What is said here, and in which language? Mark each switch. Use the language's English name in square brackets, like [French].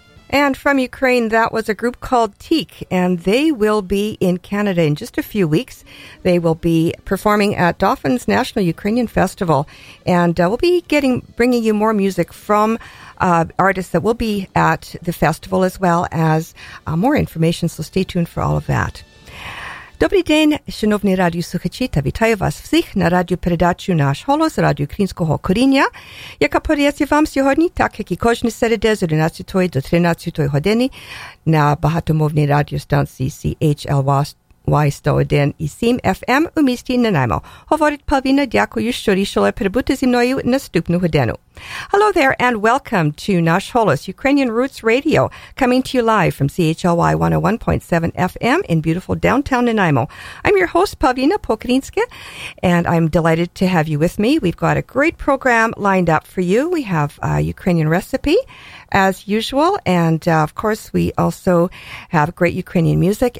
[English] And from Ukraine, that was a group called Teak, and they will be in Canada in just a few weeks. They will be performing at Dauphin's National Ukrainian Festival, and we'll be bringing you more music from artists that will be at the festival, as well as more information, so stay tuned for all of that. [Ukrainian] Добрий день, шановні радіослухачі, та вітаю вас всіх на радіопередачу «Наш голос» Радіо Українського коріння, яка подається вам сьогодні, так як і кожні середи з 11 до 13 години на багатомовній радіостанції CHLY 101.7 FM у місті Нанаймо. Говорить Павлина, дякую, що рішила перебути зі мною наступну годину. [English] Hello there and welcome to Nash Holos, Ukrainian Roots Radio, coming to you live from CHLY 101.7 FM in beautiful downtown Nanaimo. I'm your host, Pavlina Pokrinska, and I'm delighted to have you with me. We've got a great program lined up for you. We have a Ukrainian recipe, as usual, and of course, we also have great Ukrainian music.